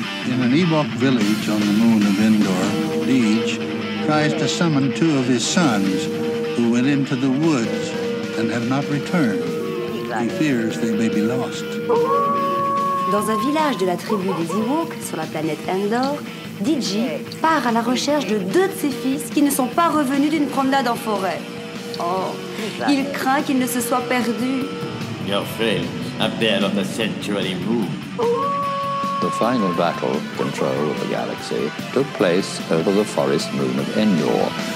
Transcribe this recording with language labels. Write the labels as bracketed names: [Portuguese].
[English] In an Ewok village on the moon of Endor, Deej tries to summon two of his sons who went into the woods and have not returned. He fears they may be lost. [French] Dans un village de la tribu des Ewoks sur la planète Endor, DJ part à la recherche de deux de ses fils qui ne sont pas revenus d'une promenade en forêt. Oh, il craint qu'ils ne se soient perdus. [English] Your fate appears on the sanctuary moon. The final battle for control of the galaxy took place over the forest moon of Endor.